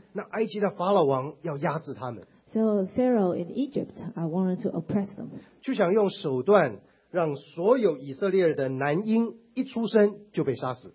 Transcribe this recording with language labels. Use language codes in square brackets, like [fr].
[zh] 那埃及的法老王要压制他们。 [en] So Pharaoh in Egypt wanted to oppress them. [zh] 就想用手段让所有以色列的男婴一出生就被杀死。